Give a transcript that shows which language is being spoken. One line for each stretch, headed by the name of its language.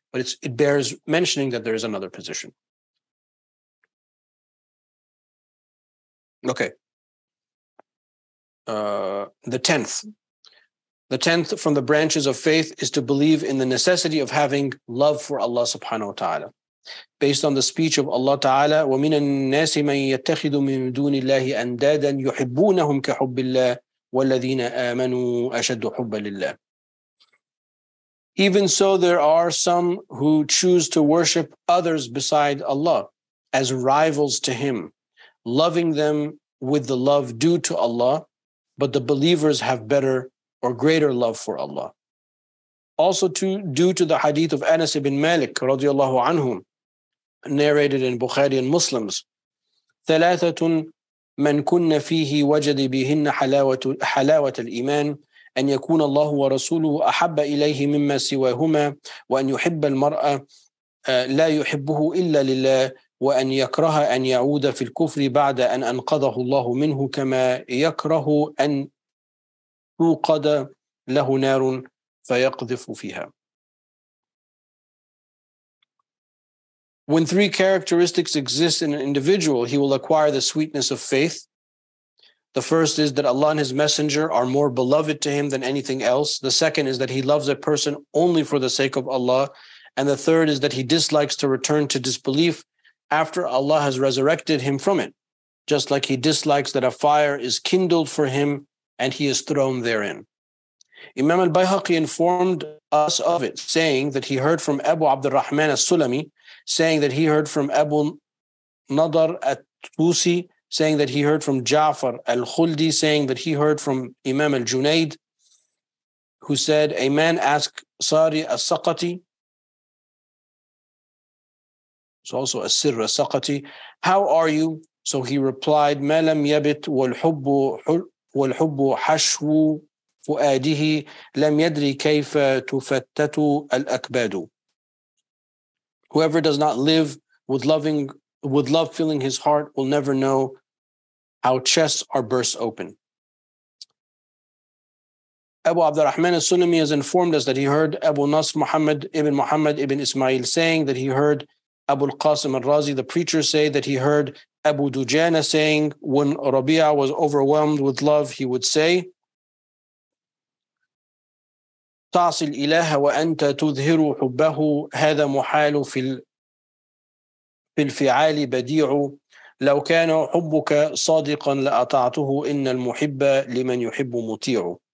English: But it bears mentioning that there is another position. Okay. The tenth from the branches of faith is to believe in the necessity of having love for Allah subhanahu wa ta'ala. Based on the speech of Allah ta'ala,
Arabic: وَمِنَ النَّاسِ مَنْ يَتَّخِذُ مِنْ دُونِ اللَّهِ أَنْدَادًا يُحِبُّونَهُمْ كَحُبِّ اللَّهِ وَالَّذِينَ آمَنُوا أَشَدُّ حُبَّ لِلَّهِ.
English: Even so, there are some who choose to worship others beside Allah as rivals to Him, loving them with the love due to Allah, but the believers have better or greater love for Allah. Also, due to the hadith of Anas ibn Malik radiallahu anhu, narrated in Bukhari and Muslims,
Arabic: ثَلَاثَةٌ مَنْ كُنَّ فِيهِ وَجَدِ بِهِنَّ حَلَاوَةَ الْإِيمَانِ أن يكون الله ورسوله أحب إليه مما سواهما وأن يحب المرأة لا يحبه إلا لله وأن يكره أن يعود في الكفر بعد أن أنقذه الله منه كما يكره أن يوقد له نار فيقذف فيها.
English: When three characteristics exist in an individual, he will acquire the sweetness of faith. The first is that Allah and His Messenger are more beloved to him than anything else. The second is that he loves a person only for the sake of Allah. And the third is that he dislikes to return to disbelief after Allah has resurrected him from it, just like he dislikes that a fire is kindled for him and he is thrown therein. Imam al-Bayhaqi informed us of it, saying that he heard from Abu Abdurrahman al-Sulami, saying that he heard from Abu Nadar al-Tusi, saying that he heard from Ja'far al-Khuldi, saying that he heard from Imam al-Junaid, who said, a man asked Sari al-Saqati, it's also Asir al-Saqati, how are you? So he replied,
Arabic: مَا لَمْ يَبِتْ وَالْحُبُّ حَشْوُ فُؤَادِهِ لَمْ يَدْرِ كَيْفَ تُفَتَّتُ الْأَكْبَادُ.
English: Whoever does not live with love filling his heart will never know how chests are burst open. Abu Abdurrahman al-Sunami has informed us that he heard Abu Nasr Muhammad ibn Ismail saying that he heard Abu al-Qasim al-Razi, the preacher, say that he heard Abu Dujana saying when Rabia was overwhelmed with love, he would say,
Arabic: تعصي الإله وأنت تظهر حبه هذا محال في الفعال بديع لو كان حبك صادقا لأطعته إن المحب لمن يحب مطيع.